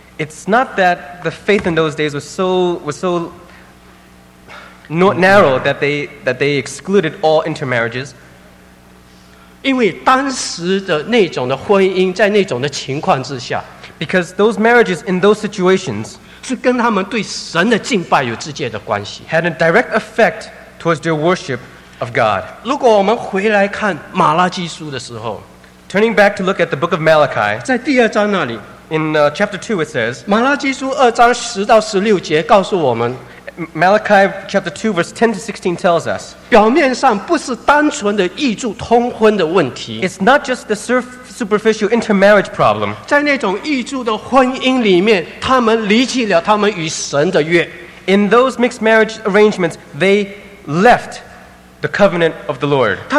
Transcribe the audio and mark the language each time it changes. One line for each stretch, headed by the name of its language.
English: It's not that the faith in those days was so narrow that they excluded all intermarriages.
Chinese: 因为当时的那种的婚姻在那种的情况之下，
English: because those marriages in those situations
Chinese: 是跟他们对神的敬拜有直接的关系，
English: had a direct effect towards their worship of God.
Chinese: 如果我们回来看马拉基书的时候，
English: turning back to look at the book of Malachi,
Chinese: 在第二章那里，
English: in chapter 2 it says,
Chinese: 马拉基书2章10到16节告诉我们，
English: Malachi chapter 2 verse 10 to 16 tells us,
Chinese: 表面上不是单纯的异族通婚的问题，
English: it's not just the superficial intermarriage problem.
Chinese: 在那种异族的婚姻里面， 他们离弃了他们与神的约。
English: In those mixed marriage arrangements, they left the covenant of the Lord.